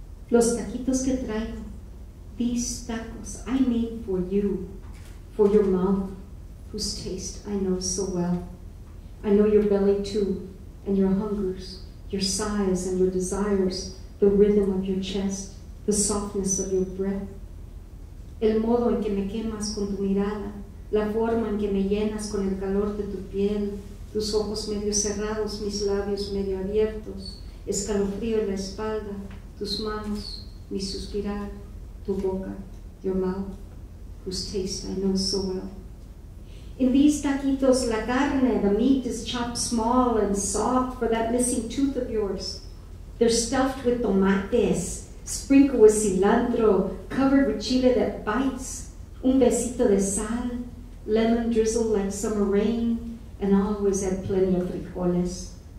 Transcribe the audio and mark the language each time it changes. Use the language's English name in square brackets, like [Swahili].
[Spanish] Los taquitos que traigo, [English] these tacos I made for you, for your mouth, whose taste I know so well. I know your belly too, and your hungers, your sighs and your desires, the rhythm of your chest, the softness of your breath. [Spanish] El modo en que me quemas con tu mirada, la forma en que me llenas con el calor de tu piel, tus ojos medio cerrados, mis labios medio abiertos, escalofrío en la espalda, tus manos, mi suspirar, tu boca, [English] your mouth, whose taste I know so well. In these taquitos, [Spanish] la carne, [English] the meat is chopped small and soft for that missing tooth of yours. They're stuffed with tomates, sprinkled with cilantro, covered with chile that bites, [Spanish] un besito de sal, [English] lemon drizzle like summer rain, and always add plenty of frijoles.